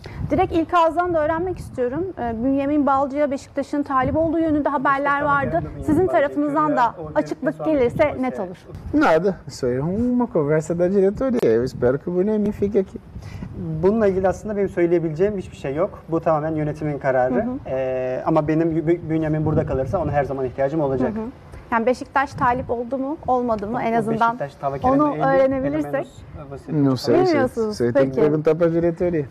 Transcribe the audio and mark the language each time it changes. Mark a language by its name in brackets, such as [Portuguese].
[Turkish] Direkt ilk ağızdan da öğrenmek istiyorum. Bünyamin Balcı'ya Beşiktaş'ın talip olduğu yönünde haberler vardı. Sizin tarafınızdan da açıklık gelirse net olur. [Portuguese] Nada. Isso é uma conversa da diretoria. Eu espero que o Bünyamin fique aqui. [Turkish] Bununla ilgili aslında benim söyleyebileceğim hiçbir şey yok. Bu tamamen yönetimin kararı. Ama benim Bünyamin burada kalırsa ona her zaman ihtiyacım olacak. Yani Beşiktaş talip oldu mu, olmadı mı? En azından onu öğrenebilirsek. Bilmiyorsunuz. Peki.